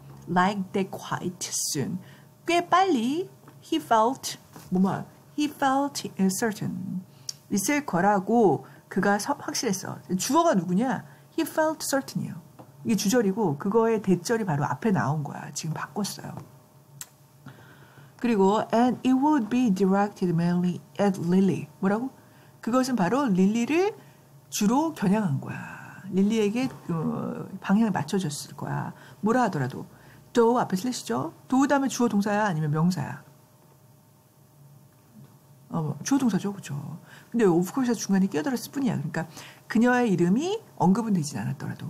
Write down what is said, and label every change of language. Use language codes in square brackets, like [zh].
[en] Like that quite soon. [ko] 꽤 빨리 [en] he felt 뭐 he felt certain [ko] 있을 거라고 그가 확실했어. 주어가 누구냐? [en] He felt certain이요. [ko] 이게 주절이고 그거의 대절이 바로 앞에 나온 거야. 지금 바꿨어요. 그리고 [en] and it would be directed mainly at Lily. [ko] 뭐라고? 그것은 바로 릴리를 주로 겨냥한 거야. 릴리에게 방향을 맞춰줬을 거야. 뭐라 하더라도 do 앞에 슬래시죠. do 다음에 주어 동사야 아니면 명사야? 주어 동사죠. 그렇죠. 근데 of course 중간에 끼어들었을 뿐이야. 그러니까 그녀의 이름이 언급은 되진 않았더라도.